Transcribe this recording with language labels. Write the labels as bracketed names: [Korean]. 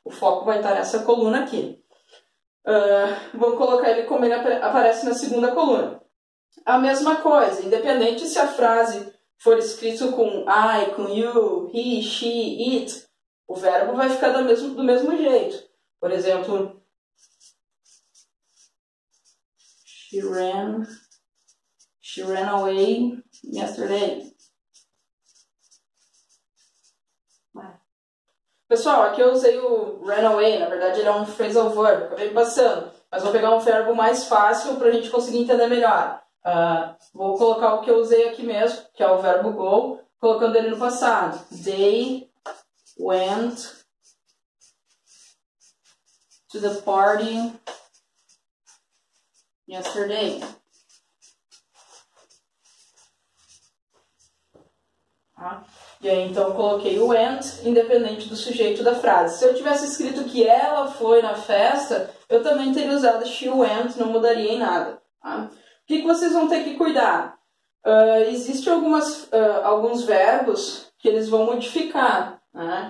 [Portuguese] O foco vai estar nessa coluna aqui. Vou colocar ele como ele aparece na segunda coluna. A mesma coisa, independente se a frase for escrito com I, com you, he, she, it, o verbo vai ficar do mesmo jeito. Por exemplo, [English] she ran away yesterday. [Portuguese] Pessoal, aqui eu usei o ran away, na verdade ele é um phrasal verb, acabei passando. Mas vou pegar um verbo mais fácil para a gente conseguir entender melhor. Vou colocar o que eu usei aqui mesmo, que é o verbo go, colocando ele no passado. [English] They went to the party yesterday. [Portuguese] E aí, então, eu coloquei o went, independente do sujeito da frase. Se eu tivesse escrito que ela foi na festa, eu também teria usado she went, não mudaria em nada. Tá? O que vocês vão ter que cuidar? Existem alguns verbos que eles vão modificar, né?